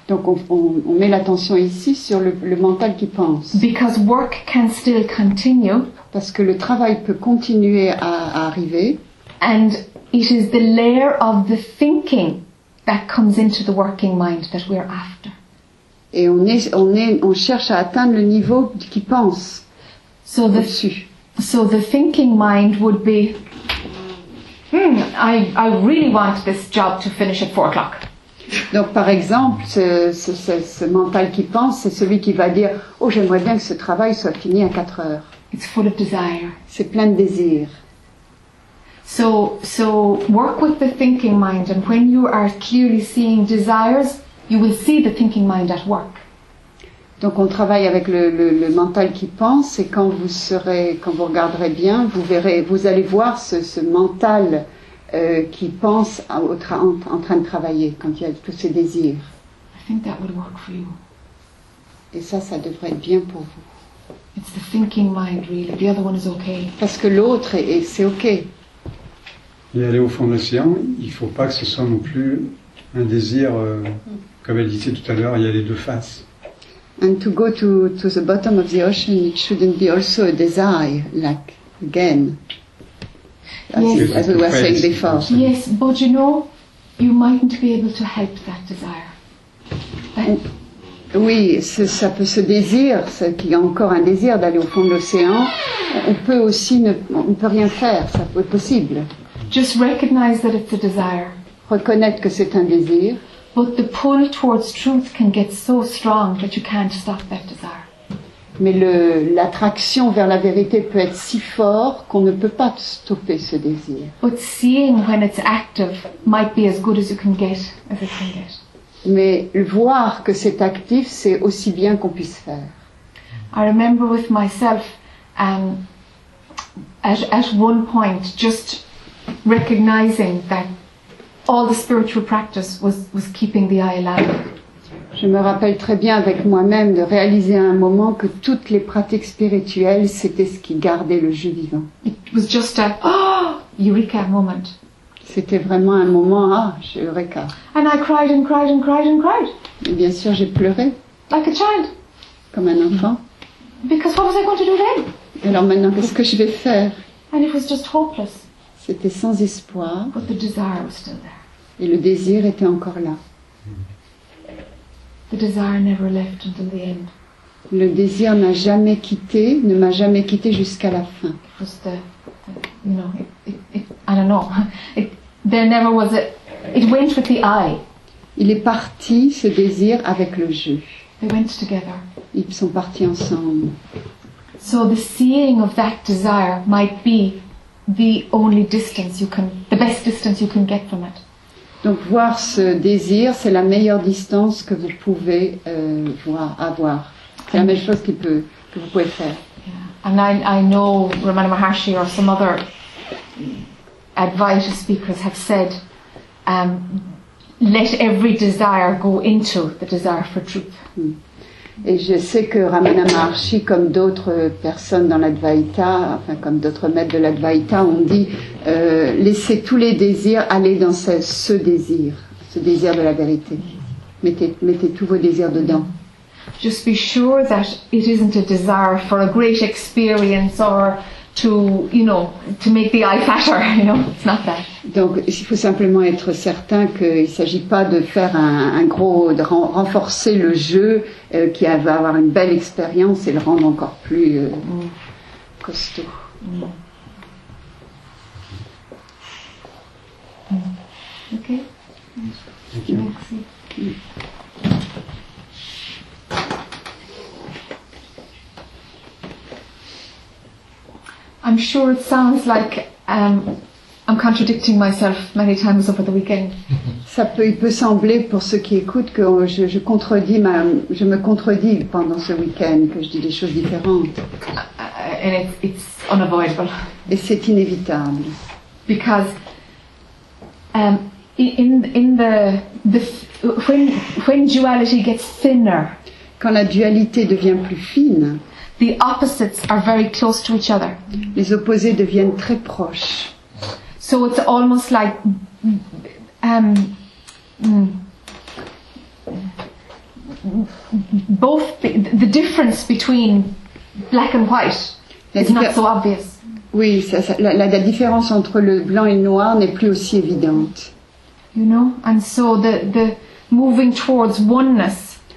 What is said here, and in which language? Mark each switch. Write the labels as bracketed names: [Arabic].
[French] Donc on met l'attention ici sur le mental qui pense. [English] Because work can still continue. [French] Parce que le travail peut continuer à arriver. [English] And it is the layer of the thinking that comes into the working mind that we are after. [French] Et on cherche à atteindre le niveau qui pense. [English] So [French] au-dessus. [English] The thinking mind would be. I really want this job to finish at 4 o'clock. [French] Donc par exemple, ce mental qui pense, c'est celui qui va dire, oh, j'aimerais bien que ce travail soit fini à 4 heures. [English] It's full of desire. [French] C'est plein de désir. [English] So work with the thinking mind, and when you are clearly seeing desires, you will see the thinking mind at work. [French] Donc on travaille avec le mental qui pense, et quand vous regarderez bien, vous allez voir ce mental qui pense en train de travailler, quand il y a tous ses désirs. [English] I think that would work for you. [French] Et ça devrait être bien pour vous. [English] It's the thinking mind, really. The other one is okay. [French] Parce que l'autre, c'est ok. Et aller au fond de l'océan, il ne faut pas que ce soit non plus un désir, comme elle disait tout à l'heure, il y a les deux faces. [English] And to go to the bottom of the ocean, it shouldn't be also a desire, like, again, as we were saying before. Yes, but you know, you mightn't be able to help that desire. [French] Oui, ça peut se désir, qu'il y a encore un désir d'aller au fond de l'océan. On peut aussi, on ne peut rien faire, ça peut être possible. [English] Just recognize that it's a desire. [French] Reconnaître que c'est un désir. [English] But the pull towards truth can get so strong that you can't stop that desire. [French] Mais l'attraction vers la vérité peut être si fort qu'on ne peut pas stopper ce désir. [English] But seeing when it's active might be as good as you can get, as it can get. [French] Mais voir que c'est actif, c'est aussi bien qu'on puisse faire. [English] I remember with myself, at one point, just recognizing that all the spiritual practice was keeping the eye alive. [French] Je me rappelle très bien avec moi-même de réaliser à un moment que toutes les pratiques spirituelles, c'était ce qui gardait le jeu vivant. [English] It was just a eureka moment. [French] C'était vraiment un moment eureka. [English] And I cried and cried and cried and cried. [French] Et bien sûr, j'ai pleuré. [English] Like a child. [French] Comme un enfant. [English] Because what was I going to do then? [French] Alors maintenant, qu'est-ce que je vais faire? [English] And it was just hopeless. [French] C'était sans espoir. [English] But the desire was still there. [French] Et le désir était encore là. [English] The desire never left until the end. [French] Le désir n'a jamais quitté, ne m'a jamais quitté jusqu'à la fin. [English] It was there never was it went with the eye. [French] Il est parti, ce désir, avec le jeu. [English] They went together. [French] Ils sont partis ensemble. [English] So the seeing of that desire might be the only distance you can, the best distance you can get from it. [French] Donc voir ce désir, c'est la meilleure distance que vous pouvez avoir. C'est la meilleure chose que vous pouvez faire. [English] Yeah. And I know Ramana Maharshi or some other Advaita speakers have said, let every desire go into the desire for truth. [French] Et je sais que Ramana Maharshi, comme d'autres personnes dans l'Advaita, enfin comme d'autres maîtres de l'Advaita, ont dit laissez tous les désirs aller dans ce désir de la vérité. Mettez tous vos désirs dedans. [English] Just be sure that it isn't a desire for a great experience or to make the eye fatter, it's not that. [French] Donc, il faut simplement être certain qu'il ne s'agit pas de faire renforcer le jeu qui va avoir une belle expérience et le rendre encore plus costaud. Ok. Merci. Mm. [English] I'm sure it sounds like I'm contradicting myself many times over the weekend. [French] Ça peut, il peut sembler pour ceux qui écoutent que je contredis ma, je me contredis pendant ce week-end, que je dis des choses différentes. [English] And it's unavoidable. [French] Et c'est inévitable. [English] Because when duality gets thinner, [French] quand la dualité devient plus fine, [English] the opposites are very close to each other. [French] Les opposés deviennent très proches. [English] So it's almost like both the difference between black and white is not so obvious. [French] Oui, la différence entre le blanc et le noir n'est plus aussi évidente. [English] You know, and so the moving towards oneness.